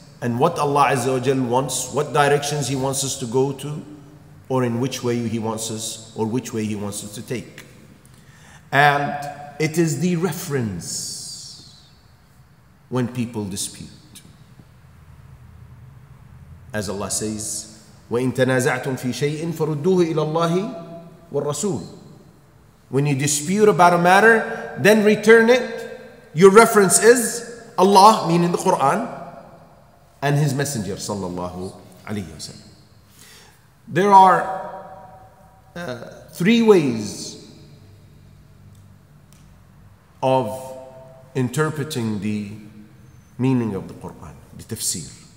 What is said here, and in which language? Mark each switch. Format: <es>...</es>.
<en>And what Allah Azza wa Jal wants, what directions He wants us to go to, or in which way He wants us, or which way He wants us to take. And it is the reference when people dispute. As Allah says,</en> <ar>وَإِن تَنَازَعْتُمْ فِي شَيْءٍ فَرُدُّوهُ إِلَى اللَّهِ وَالرَّسُولِ.</ar> <en>When you dispute about a matter, then return it. Your reference is Allah, meaning the Quran, and His Messenger, sallallahu alayhi wa sallam. There are three ways of interpreting the meaning of the Quran, the tafsir.</en>